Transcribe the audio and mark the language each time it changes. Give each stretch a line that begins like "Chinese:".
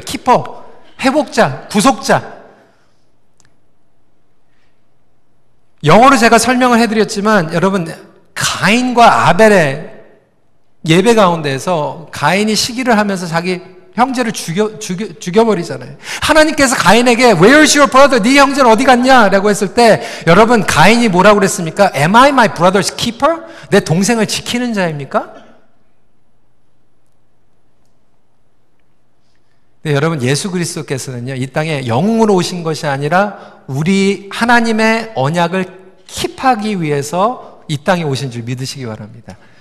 Korean: 키퍼, 회복자, 구속자. 영어로 제가 설명을 해드렸지만 여러분 가인과 아벨의 예배 가운데에서 가인이 시기를 하면서 자기 형제를 죽여버리잖아요. 하나님께서 가인에게
English: Where is your brother?
Korean: 네 형제는 어디 갔냐? 라고 했을 때 여러분 가인이 뭐라고 그랬습니까?
English: Am I my brother's keeper?
Korean: 내 동생을 지키는 자입니까? 네, 여러분 예수 그리스도께서는요 이 땅에 영웅으로 오신 것이 아니라 우리 하나님의 언약을 킵하기 위해서 이 땅에 오신 줄 믿으시기 바랍니다.